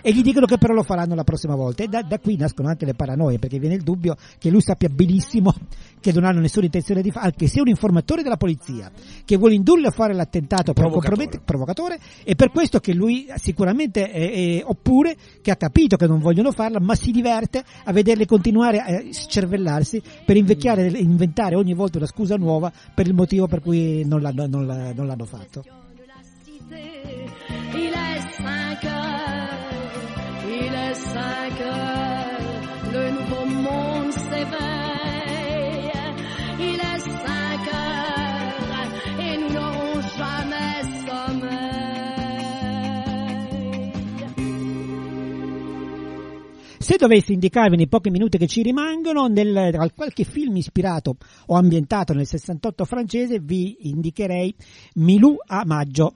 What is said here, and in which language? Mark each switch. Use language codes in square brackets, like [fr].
[it] E gli dicono che però lo faranno la prossima volta. E da qui nascono anche le paranoie, perché viene il dubbio che lui sappia benissimo che non hanno nessuna intenzione di fare, anche se è un informatore della polizia che vuole indurlo a fare l'attentato provocatore, e per questo che lui sicuramente oppure che ha capito che non vogliono farla, ma si diverte a vederli continuare a scervellarsi per invecchiare e inventare ogni volta una scusa nuova per il motivo per cui non l'hanno fatto. [fr] Il est 5 heures, il est 5 heures, le nouveau monde s'éveille. Il est 5 heures, et nous n'aurons jamais sommeil. [it] se dovessi indicarvi nei pochi minuti che ci rimangono, tra qualche film ispirato o ambientato nel 68 francese, vi indicherei Milou a maggio.